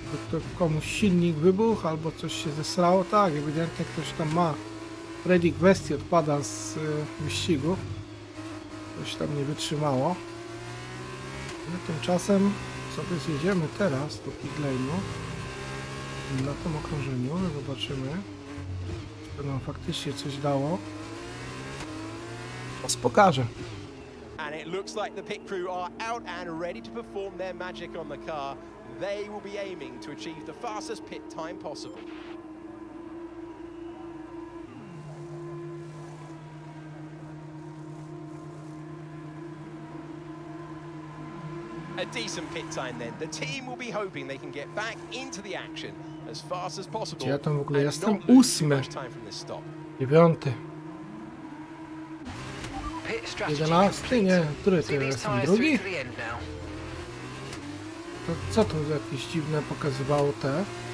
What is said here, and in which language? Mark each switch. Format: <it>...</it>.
<pl>To komuś silnik wybuchł, albo coś się zesrało. Tak, ewidentnie ktoś tam ma ready question, odpada z wyścigu. Coś tam nie wytrzymało. No, tymczasem sobie zjedziemy teraz do pit lane'u. Na tym okrążeniu zobaczymy, czy to nam faktycznie coś dało. Was pokażę.</pl> <en>And it looks like the pit crew are out and ready to perform their magic on the car. They will be aiming to achieve the fastest pit time possible. A decent pit time then. The team will be hoping they can get back into the action as fast as possible.</en> <pl>Ja tam w ogóle jestem ósmy. Dziewiąty. 11, nie, który to jest? Drugi? To co to za jakieś dziwne pokazywało te?</pl>